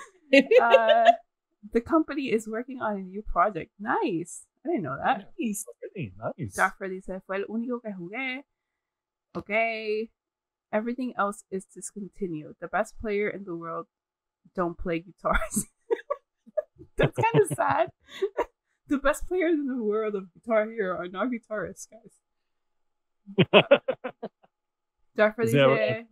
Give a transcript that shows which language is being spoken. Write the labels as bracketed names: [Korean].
[English] the company is working on a new project. Nice. I didn't know that. Nice. [Spanish] Jack Freddy said, fue el único que jugué. [English] Okay. Everything else is discontinued. The best player in the world don't play guitars. That's kind of sad. The best players in the world of Guitar Hero are not guitarists, guys. Jack Freddy said,